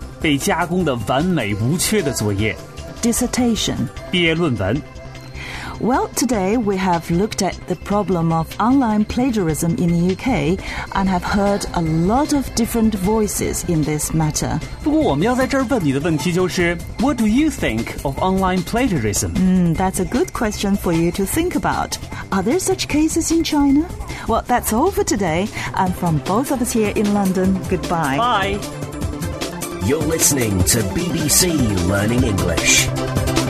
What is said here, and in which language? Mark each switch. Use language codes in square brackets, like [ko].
[zh] 被加工的完美无缺的作业。 [en] Dissertation. [zh] 毕业论文。 [en] Well, today we have looked at the problem of online plagiarism in the UK and have heard a lot of different voices in this matter. [zh] 不过我们要在这儿问你的问题就是 [en] What do you think of online plagiarism? That's a good question for you to think about. Are there such cases in China? Well, that's all for today. And from both of us here in London, goodbye. Bye. You're listening to BBC Learning English.